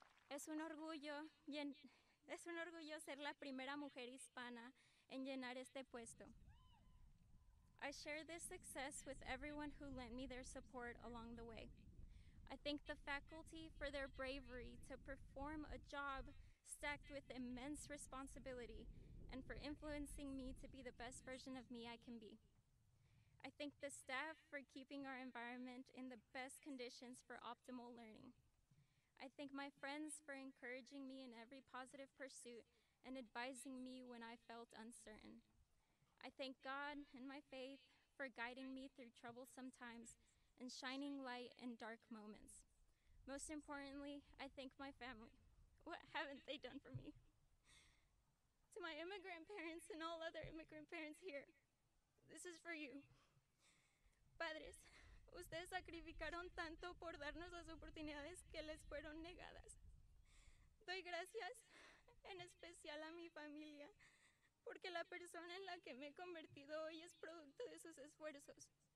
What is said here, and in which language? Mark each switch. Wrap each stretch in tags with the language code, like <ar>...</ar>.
<es>Es un orgullo ser la primera mujer hispana en llenar este puesto.</es> <en>I share this success with everyone who lent me their support along the way. I thank the faculty for their bravery to perform a job stacked with immense responsibility, and for influencing me to be the best version of me I can be. I thank the staff for keeping our environment in the best conditions for optimal learning. I thank my friends for encouraging me in every positive pursuit and advising me when I felt uncertain. I thank God and my faith for guiding me through troublesome times and shining light in dark moments. Most importantly, I thank my family. What haven't they done for me? To my immigrant parents and all other immigrant parents here, this is for you.</en> <es>Padres, ustedes sacrificaron tanto por darnos las oportunidades que les fueron negadas. Doy gracias en especial a mi familia, porque la persona en la que me he convertido hoy es producto de sus esfuerzos.</es>